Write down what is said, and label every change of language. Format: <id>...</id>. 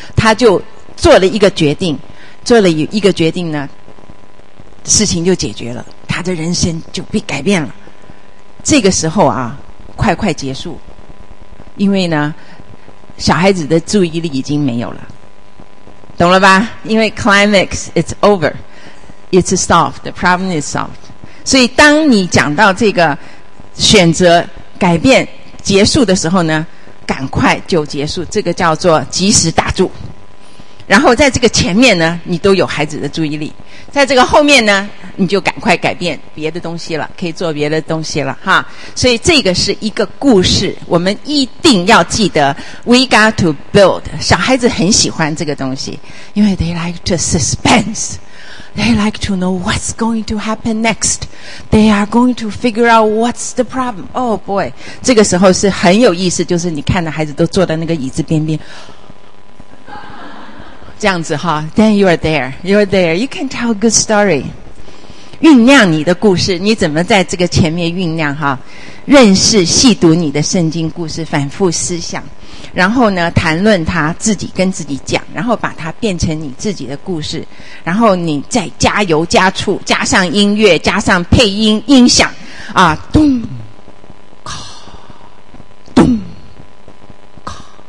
<zh>他就做了一个决定，做了一个决定呢，事情就解决了，他的人生就被改变了。这个时候啊，快结束，因为呢小孩子的注意力已经没有了，懂了吧？因为</zh> <en>climax it's over it's solved, the problem is solved。</en> <zh>所以当你讲到这个选择改变结束的时候呢，赶快就结束，这个叫做及时打住。然后在这个前面呢，你都有孩子的注意力，在这个后面呢，你就赶快改变别的东西了，可以做别的东西了哈。所以这个是一个故事，我们一定要记得</zh> <en>We got to build。</en> <zh>小孩子很喜欢这个东西，因为</zh> <en>they like to suspense, they like to know what's going to happen next, they are going to figure out what's the problem. Oh boy,</en> <zh>这个时候是很有意思，就是你看到孩子都坐在那个椅子边边这样子哈。</zh> <en>Then you are there, you are there, you can tell a good story.</en> <zh>酝酿你的故事，你怎么在这个前面酝酿哈？认识细读你的圣经故事，反复思想，然后呢谈论它，自己跟自己讲，然后把它变成你自己的故事，然后你再加油加醋，加上音乐，加上配音音响啊，咚咔咚咔，</zh>